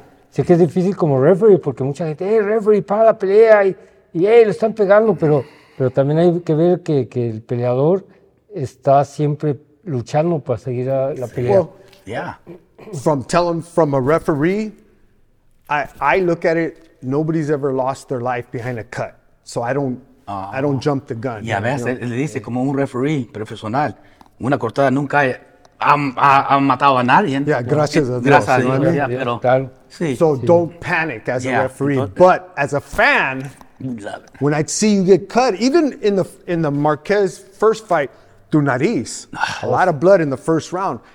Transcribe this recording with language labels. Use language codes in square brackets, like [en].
[es] Sé que es difícil como referee, porque mucha gente, hey, referee, para la pelea, y lo están pegando, pero también hay que ver que el peleador está siempre luchando para seguir la pelea. [en] Well, from a referee, I look at it, nobody's ever lost their life behind a cut. So I don't I don't jump the gun. [es] Y a veces [en] you know? [es] Le dice como un referee profesional, una cortada nunca han matado a nadie. Yeah, gracias a Dios. Gracias a Dios. Yeah, pero, sí, so sí. [en] Don't panic as a referee, entonces, but as a fan, when I see you get cut, even in the Marquez first fight, [es] tu nariz, [en] a lot of blood in the first round.